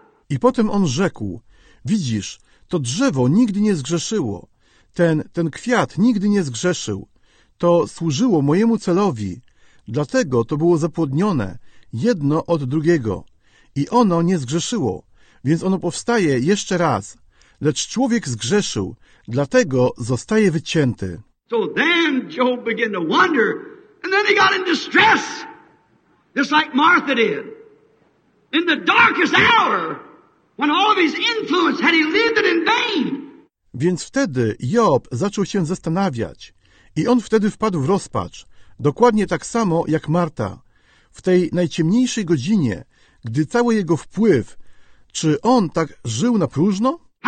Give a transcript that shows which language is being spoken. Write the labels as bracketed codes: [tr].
[pl] I potem on rzekł, widzisz, to drzewo nigdy nie zgrzeszyło, ten kwiat nigdy nie zgrzeszył, to służyło mojemu celowi, dlatego to było zapłodnione jedno od drugiego. I ono nie zgrzeszyło, więc ono powstaje jeszcze raz. Lecz człowiek zgrzeszył, dlatego zostaje wycięty. [en] So then Job began to wonder, and then he got in distress, just like Martha did. In the darkest hour, when all of his influence had yielded in vain. [pl] Więc wtedy Job zaczął się zastanawiać i on wtedy wpadł w rozpacz, dokładnie tak samo jak Marta. W tej najciemniejszej godzinie, gdy cały jego wpływ, czy on tak żył na próżno?